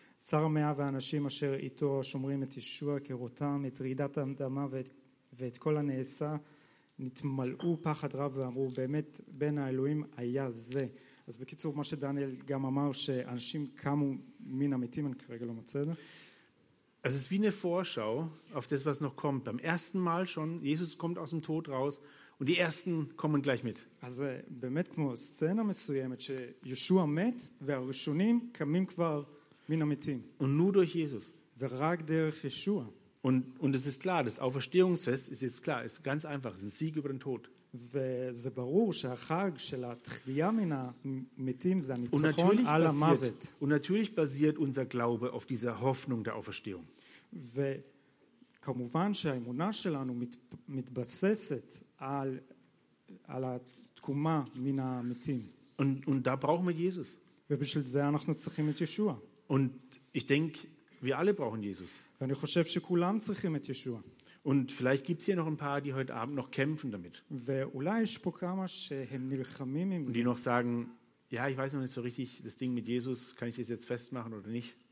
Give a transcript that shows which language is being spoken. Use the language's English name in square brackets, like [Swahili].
[Hebrew] שר המאה והאנשים אשר איתו שומרים את ישוע כרותם, את רעידת האדמה ואת כל הנעשה, נתמלאו פחד רב ואמרו, באמת בין האלוהים היה זה. אז בקיצור, מה שדניאל גם אמר, שאנשים קמו מן המתים, אני כרגע לא מוצא את זה. [German] Es ist wie eine Vorschau auf das, was noch kommt. Beim ersten Mal schon, Jesus kommt aus dem Tod raus und die Ersten kommen gleich mit. [Hebrew] Also, באמת כמו סצנה מסוימת, שישוע מת והראשונים קמים כבר מן המתים. [German] Und nur durch Jesus. [Hebrew] ורק דרך ישוע. [German] Und es ist klar, das Auferstehungsfest ist jetzt klar, ist ganz einfach, es ist ein Sieg über den Tod. [Hebrew] וזה ברור שהחג של התחייה מן המתים זה הניצחון על המוות. [German] Und natürlich basiert unser Glaube auf dieser Hoffnung der Auferstehung. [Hebrew] וכמובן שהאמונה שלנו מתבססת על התקומה מן המתים. [German] Und da brauchen wir Jesus. [Hebrew] ובשביל זה אנחנו צריכים את ישוע. [German] Und ich denke, wir alle brauchen Jesus. [Hebrew] ואני חושב שכולם צריכים את ישוע. [German] Und vielleicht gibt es hier noch ein paar, die heute Abend noch kämpfen damit. Die noch sagen, ja, ich weiß noch nicht so richtig, das Ding mit Jesus, kann ich das jetzt festmachen oder nicht?